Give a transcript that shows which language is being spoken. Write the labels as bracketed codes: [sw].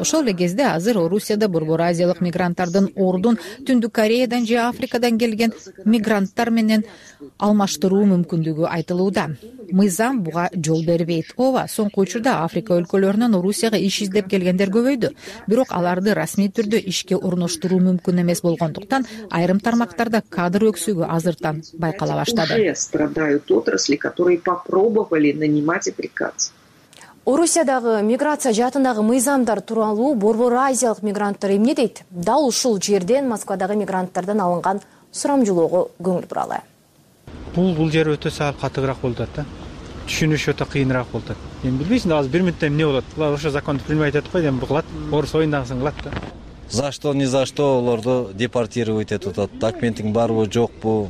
[ky] Ошол эле кезде азыр Орусияда борбор азиялык мигранттардын ордун Түндүк Кореядан же Африкадан келген мигранттар менен алмаштыруу мүмкүндүгү айтылууда. Мыйзам буга жол бербейт. Ооба, соңку учурда Африка өлкөлөрүнөн Орусияга иш издеп келгендер көбөйдү. Бирок аларды расмий түрдө ишке орноштуруу мүмкүн эмес болгондуктан айрым тармактарда кадр өксүгү азыртан байкала баштады. [ru] Страдают отрасли, которые попробовали нанимать африканцев. [ky] Орусиядагы миграция жаатындагы мыйзамдар тууралуу борбор азиялык мигранттар эмне дейт? Дал ушул жерден Москвадагы мигранттардан алынган сурамжылоого көңүл буралы. Бул жер өтө саап катыгыраак болуп атат да. Түшүнүш өтө кыйыныраак болуп атат. Эми билбейсиң, азыр бир мүнөттө эмне болот? Булар ошо законду билбей атат го, эми кылат. Орус ойундагысын кылат да. [ru] За что, не за что [ky] аларды [ru] депортировать этот документиң [ky] барбы, жокпу?